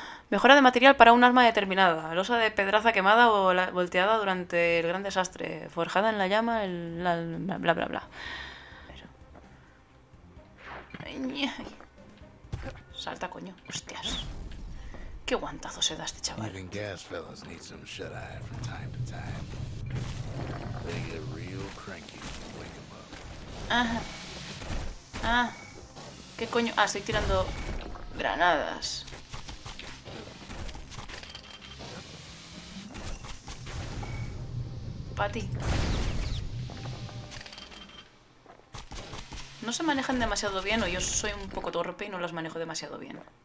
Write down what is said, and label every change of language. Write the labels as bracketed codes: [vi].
[es] Mejora de material para un arma determinada. Losa de pedraza quemada o volteada durante el gran desastre. Forjada en la llama, bla, bla, bla. Pero... Ay. Salta, coño. Hostias. ¿Qué guantazo se da este chaval? [en] Even gas fellows need some shut eye from time to time. They get real cranky when you wake them up. [es] ¿Qué coño? Estoy tirando granadas. Pati. No se manejan demasiado bien, o yo soy un poco torpe y no las manejo demasiado bien.